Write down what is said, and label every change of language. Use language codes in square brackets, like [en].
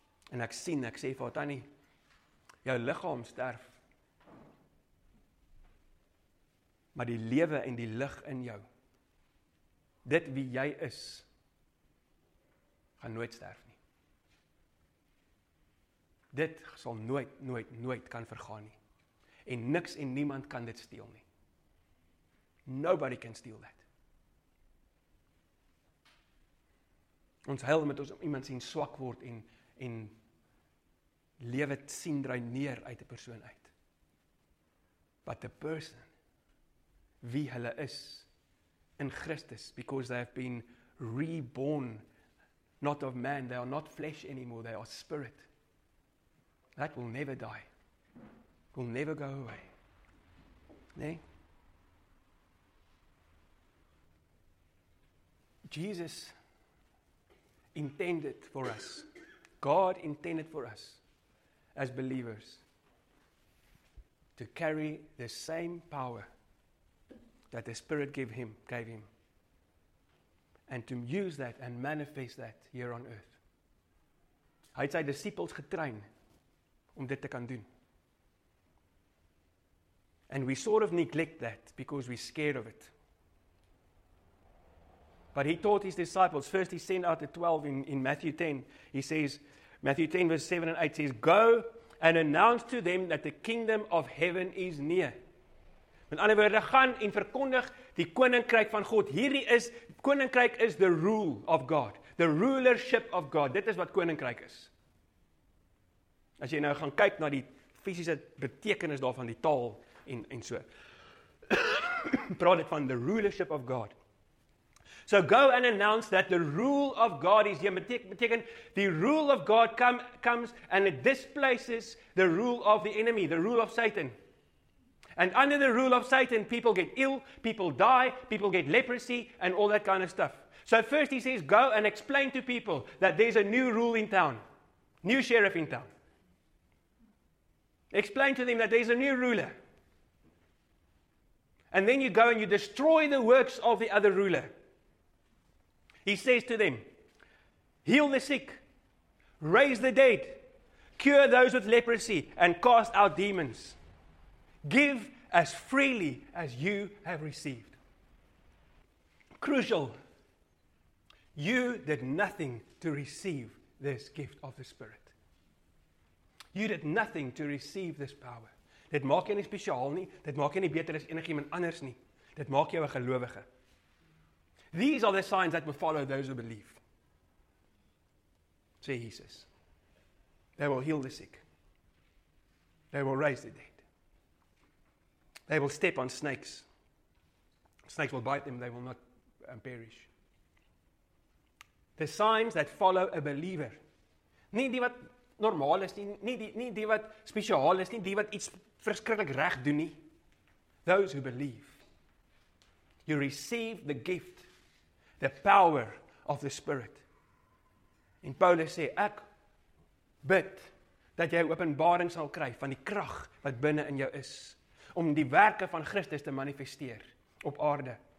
[af] En ek sien, ek sê vir haar tannie, jou liggaam sterf. Maar die lewe en die lig in jou, dit wie jy is, gaan nooit sterf nie. Dit sal nooit, nooit, nooit kan vergaan nie. En niks en niemand kan dit steel nie. [en] Nobody can steal that. [af] Ons huil met ons om iemand sien swak word en lewe sien draai neer uit 'n persoon uit. [en] But a person, [af] wie hulle is in [en] Christus, because they have been reborn, not of man, they are not flesh anymore, they are spirit. That will never die, will never go away. [af] Nee? [en] Jesus intended for us, God intended for us, as believers, to carry the same power that the Spirit gave him, and to use that and manifest that here on earth. [af] Hy het sy disciples getrein om dit te kan doen. [en] And we sort of neglect that because we're scared of it. But he taught his disciples. First he sent out the 12 in Matthew 10. He says, Matthew 10 verse 7 and 8 says, go and announce to them that the kingdom of heaven is near. [af] Met ander woorde, gaan en verkondig die koninkryk van God. Hierdie is, koninkryk is [en] the rule of God. The rulership of God. [af] Dit is wat koninkryk is. As jy nou gaan kyk na die fisiese betekenis daarvan, die taal en so. praat het van [en] the rulership of God. So go and announce that the rule of God is here. [af] Beteken, [en] the rule of God comes and it displaces the rule of the enemy, the rule of Satan. And under the rule of Satan, people get ill, people die, people get leprosy, and all that kind of stuff. So first he says, go and explain to people that there's a new rule in town, new sheriff in town. Explain to them that there's a new ruler. And then you go and you destroy the works of the other ruler. He says to them, heal the sick, raise the dead, cure those with leprosy, and cast out demons. Give as freely as you have received. Crucial. You did nothing to receive this gift of the Spirit. You did nothing to receive this power. [af] Dit maak jy nie spesiaal nie. Dit maak jy nie beter as enigiemand anders nie. Dit maak jou 'n gelowige. [en] These are the signs that will follow those who believe. Say Jesus. They will heal the sick. They will raise the dead. They will step on snakes. Snakes will bite them. They will not perish. The signs that follow a believer. [af] Nie die wat normaal is, nie die wat spesiaal is, nie die wat iets verskriklik reg doen nie. [en] Those who believe. You receive the gift, the power of the Spirit. [af] En Paulus sê, ek bid dat jy openbaring sal kry van die krag wat binne in jou is, om die werke van Christus te manifesteer op aarde.